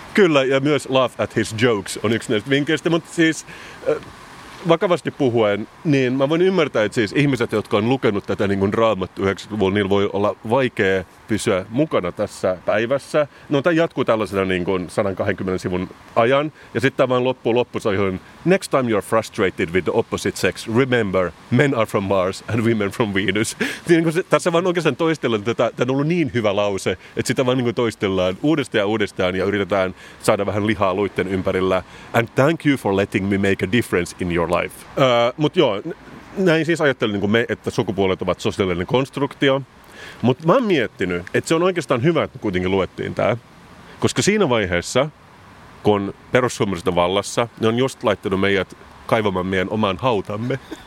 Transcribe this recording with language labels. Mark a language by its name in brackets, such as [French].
[Finnish] Kyllä, ja myös [English] Laugh at his jokes [Finnish] on yksi näistä vinkkeistä, mutta siis vakavasti puhuen, niin mä voin ymmärtää, että siis ihmiset, jotka on lukenut tätä niin kuin raamattu 90-luvulla, niillä voi olla vaikea pysyä mukana tässä päivässä. No, tämä jatkuu tällaisena niin kuin 120 sivun ajan. Ja sitten tämä vaan loppusaihoin. [English] Next time you're frustrated with the opposite sex, remember, men are from Mars and women from Venus. [Finnish] Niin kuin se, tässä vaan oikeastaan toistellaan, että tämä on ollut niin hyvä lause, että sitä vaan niin kuin toistellaan uudestaan ja yritetään saada vähän lihaa luitten ympärillä. [English] And thank you for letting me make a difference in your life. [Finnish] Mutta joo, näin siis ajattelin niin kuin me, että sukupuolet ovat sosiaalinen konstruktio. Mutta mä oon miettinyt, että se on oikeastaan hyvä, että kuitenkin luettiin tämä. Koska siinä vaiheessa, kun perussuomalaiset on vallassa, ne on just laittanut meidät kaivamaan meidän oman hautamme.